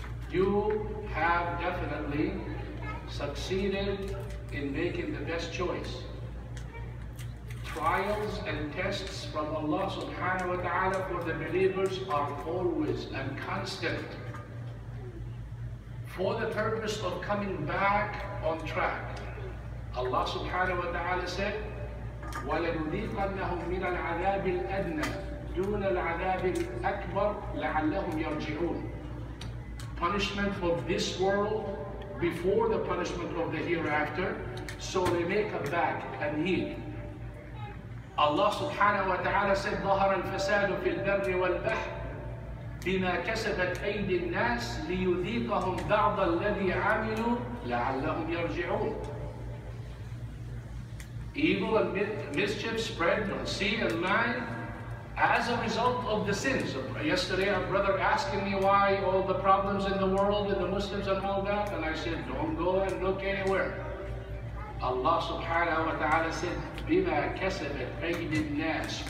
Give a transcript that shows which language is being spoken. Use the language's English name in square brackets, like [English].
[English] You have definitely succeeded in making the best choice. Trials and tests from Allah subhanahu wa ta'ala for the believers are always and constant, for the purpose of coming back on track. Allah subhanahu wa ta'ala said, [Arabic] وَلَنُذِيقَنَّهُمْ مِنَ الْعَذَابِ الْأَدْنَى دُونَ الْعَذَابِ الْأَكْبَرِ لَعَلَّهُمْ يَرْجِعُونَ. [English] Punishment of this world before the punishment of the hereafter, so they may come back and heal. Allah subhanahu wa ta'ala said, [Arabic] ظَهَرَ الْفَسَادُ فِي الْبَرِّ وَالْبَحْرِ بِمَا كَسَبَتْ أَيْدِ النَّاسِ لِيُذِيقَهُمْ بَعْضَ الَّذِي عَمِلُوا لَعَلَّهُمْ يَرْجِعُونَ. [English] Evil and mischief spread on sea and land as a result of the sins. Yesterday, a brother asking me why all the problems in the world and the Muslims and all that, and I said, don't go and look anywhere. Allah subhanahu wa ta'ala said, [Arabic] بِمَا كَسَبَتْ أَيْدِ النَّاسِ.